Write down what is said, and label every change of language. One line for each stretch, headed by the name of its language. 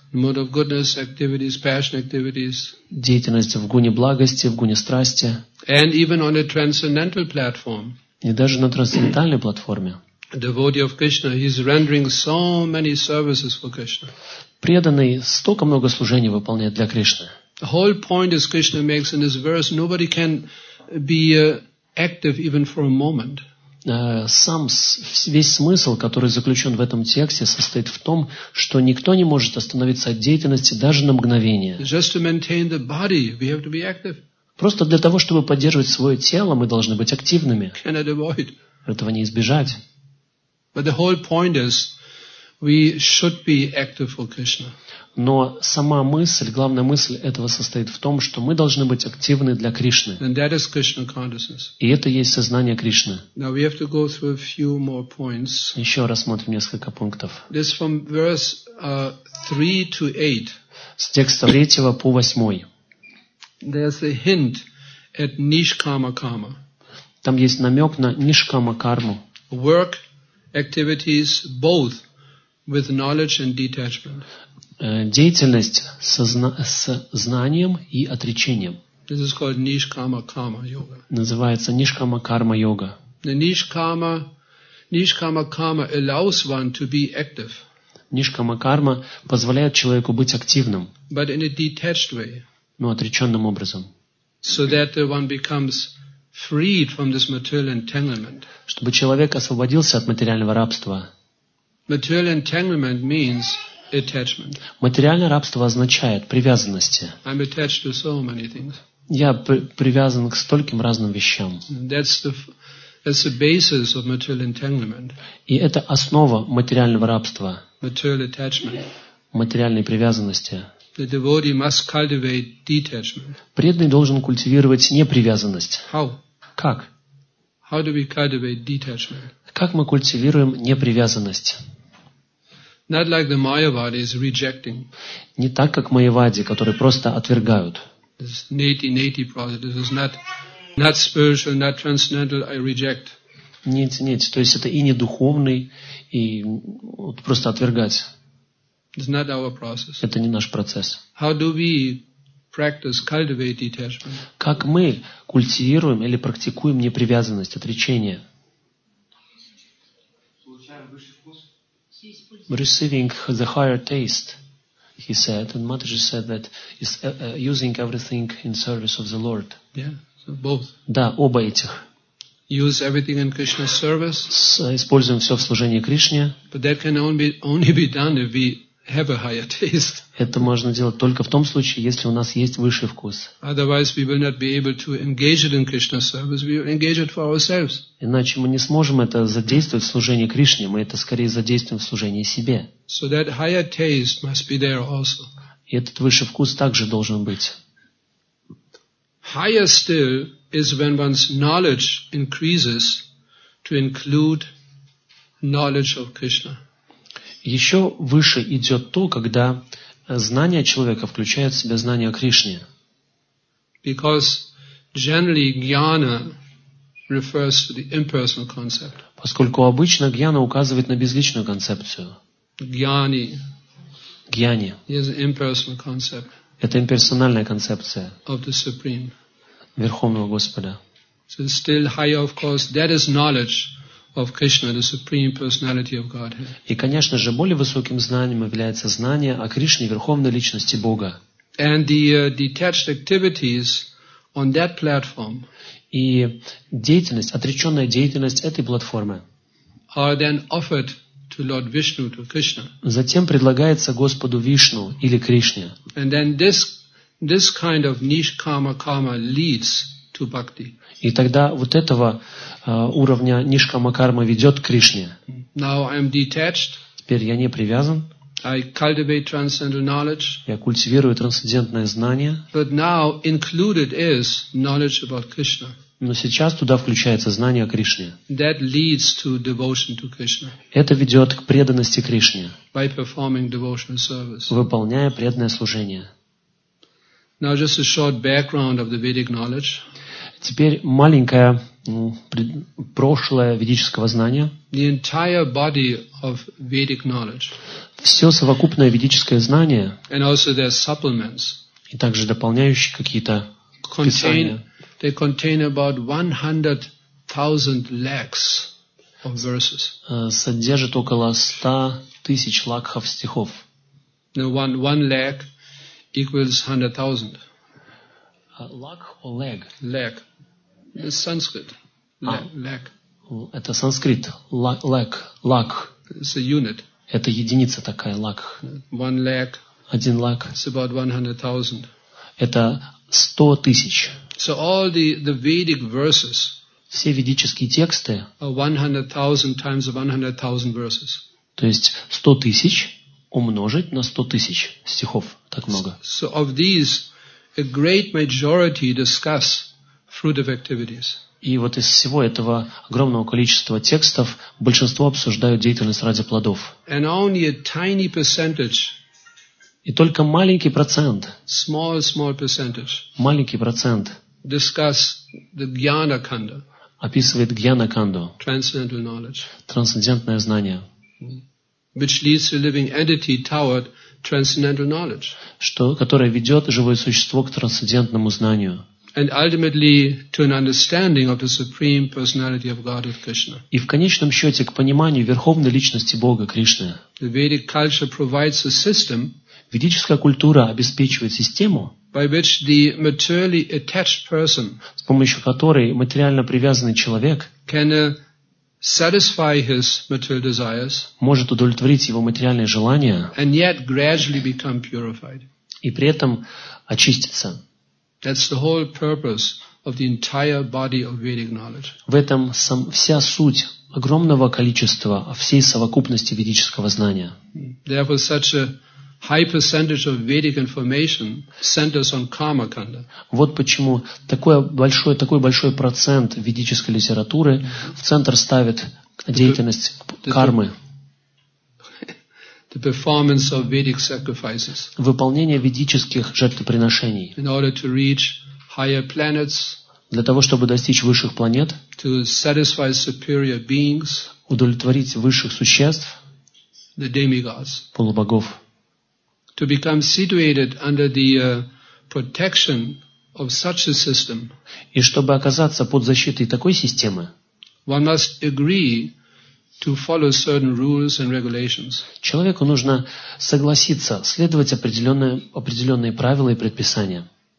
English: Mode of goodness, activities, passion activities.
Russian: Деятельность в гуне благости, в гуне страсти.
English: And even on a transcendental platform.
Russian: И даже на трансцендентальной платформе.
English: Devotee of Krishna, he is rendering so many services for Krishna.
Russian: Преданный столько много служений выполняет для Кришны.
English: The whole point is Krishna makes in this verse, nobody can be active even for a moment.
Russian: сам весь смысл, который заключен в этом тексте, состоит в том, что никто не может остановиться от деятельности даже на мгновение.
English: Just to maintain the body, we have to be active.
Russian: Просто для того, чтобы поддерживать свое тело, мы должны быть активными.
English: Cannot avoid.
Russian: Этого не избежать.
English: But the whole point is, we should be active for Krishna.
Russian: Но сама мысль, главная мысль этого состоит в том, что мы должны быть активны для Кришны.
English: And that is Krishna consciousness.
Russian: И это есть сознание Кришны.
English: Now we have to go through a few more points.
Russian: Еще рассмотрим несколько пунктов.
English: This from verse 3 to 8.
Russian: С текста 3 по 8.
English: There's a hint at nishkama karma.
Russian: Там есть намек на нишкама карму.
English: Work activities both with knowledge and detachment.
Russian: Деятельность с знанием и отречением.
English: This is called nishkama karma yoga.
Russian: Называется нишкама карма йога.
English: Nishkama karma allows one to be active.
Russian: Нишкама карма позволяет человеку быть активным.
English: But in a detached way.
Russian: Но отреченным образом.
English: So that one becomes freed from this material entanglement.
Russian: Чтобы человек освободился от материального рабства.
English: Material entanglement means attachment.
Russian: Материальное рабство означает привязанности.
English: I'm attached to so many things.
Russian: Я привязан к стольким разным вещам.
English: That's the basis of material entanglement.
Russian: И это основа материального рабства.
English: Material attachment.
Russian: Материальной привязанности.
English: The devotee must cultivate detachment.
Russian: Преданный должен культивировать непривязанность.
English: How?
Russian: Как?
English: How do we cultivate detachment?
Russian: Как мы культивируем непривязанность?
English: Not like the Mayavadi is rejecting.
Russian: Не так, как Майявади, которые просто отвергают.
English: This is neti-neti process. This is not spiritual, not transcendental, I reject.
Russian: Нети-нети. То есть это и не духовный, и вот просто отвергать.
English: It's not our process.
Russian: Это не наш процесс.
English: How do we practice, cultivate detachment?
Russian: Как мы культивируем или практикуем непривязанность, отречение?
English: Receiving the higher taste, he said, and Mataji said that is using everything in service of the Lord. Yeah, so both.
Russian: Да, оба этих.
English: Use everything in Krishna's service.
Russian: Используем все в служении Кришне.
English: But that can only be done if we have a higher taste.
Russian: Это можно делать только в том случае, если у нас есть высший вкус.
English: Otherwise, we will not be able to engage it in Krishna's service. We will engage it for ourselves.
Russian: Иначе мы не сможем это задействовать в служении Кришне. Мы это скорее задействуем в служении себе.
English: So that higher taste must be there also.
Russian: И этот высший вкус также должен быть.
English: Higher still is when one's knowledge increases to include knowledge of Krishna.
Russian: Еще выше идет то, когда знание человека включает в себя знание о Кришне.
English: Because generally jnana refers to the impersonal concept.
Russian: Поскольку обычно jnana указывает на безличную концепцию.
English: Jnani.
Russian: Jnani.
English: Is an impersonal concept.
Russian: Это имперсональная концепция.
English: Of the Supreme.
Russian: Верховного Господа.
English: So it's still higher, of course, that is knowledge. Of Krishna, the Supreme Personality of Godhead.
Russian: И, конечно же, более высоким знанием является знание о Кришне, Верховной Личности Бога.
English: And the detached activities on that platform.
Russian: И деятельность, отреченная деятельность этой платформы.
English: Are then offered to Lord Vishnu, to Krishna.
Russian: Затем предлагается Господу Вишну или Кришне.
English: And then this kind of nishkama karma leads.
Russian: И тогда вот этого уровня нишкама карма ведет к Кришне.
English: Now I am detached.
Russian: Теперь я не привязан.
English: I cultivate transcendental knowledge.
Russian: Я культивирую трансцендентное знание.
English: But now included is knowledge about Krishna.
Russian: Но сейчас туда включается знание о Кришне.
English: That leads to devotion to Krishna.
Russian: Это ведет к преданности Кришне.
English: By performing devotional service.
Russian: Выполняя преданное служение.
English: Now just a short background of the Vedic knowledge.
Russian: Теперь маленькое прошлое ведического знания.
English: The entire body of Vedic knowledge.
Russian: Все совокупное ведическое знание.
English: And also their supplements.
Russian: И также дополняющие какие-то писания.
English: They contain about 100,000 lakhs of verses.
Russian: Содержит около 100,000 лакхов стихов.
English: One lakh. Equals 100,000. Lakh or leg? Leg. It's Sanskrit. Leg.
Russian: это санскрит, lakh, lakh.
English: It's a unit.
Russian: Это единица такая, lakh.
English: One lakh.
Russian: Один lakh.
English: It's about 100,000.
Russian: Это 100 000.
English: So all the Vedic verses.
Russian: Все ведические тексты.
English: Are 100,000 times 100,000 verses.
Russian: То есть 100 000 умножить на 100 000 стихов, так много.
English: So of these, a great majority discuss fruitive activities.
Russian: И вот из всего этого огромного количества текстов большинство обсуждают деятельность ради плодов.
English: And only a tiny percentage.
Russian: И только маленький процент.
English: Small, small percentage.
Russian: Маленький процент.
English: Discuss the Jnana Khanda.
Russian: Описывает Jnana Khandu.
English: Transcendental knowledge.
Russian: Трансцендентное знание.
English: Which leads a living entity toward transcendental knowledge.
Russian: Что, которое ведет живое существо к трансцендентному знанию.
English: And ultimately to an understanding of the supreme personality of Godhead Krishna.
Russian: И в конечном счете к пониманию верховной личности Бога Кришны.
English: The Vedic culture provides a system.
Russian: Ведическая культура обеспечивает систему,
English: by which the materially attached person,
Russian: с помощью которой материально привязанный человек,
English: can satisfy his material desires,
Russian: может удовлетворить его материальные желания,
English: and yet gradually become purified.
Russian: И при этом очиститься.
English: That's the whole purpose of the entire body of Vedic knowledge.
Russian: В этом вся суть огромного количества всей совокупности ведического знания.
English: Therefore, such a high percentage of Vedic information centers on Karma Khanda.
Russian: Вот почему такой большой процент ведической литературы в центр ставит деятельность кармы.
English: The performance of Vedic sacrifices.
Russian: Выполнение ведических жертвоприношений.
English: In order to reach higher planets.
Russian: Для того, чтобы достичь высших планет.
English: To satisfy superior beings.
Russian: Удовлетворить высших существ.
English: The demigods.
Russian: Полубогов.
English: To become situated under the protection of such a system.
Russian: И чтобы оказаться под защитой такой системы.
English: One must agree to follow certain rules and regulations.
Russian: Человеку нужно согласиться следовать определенные правила и предписания.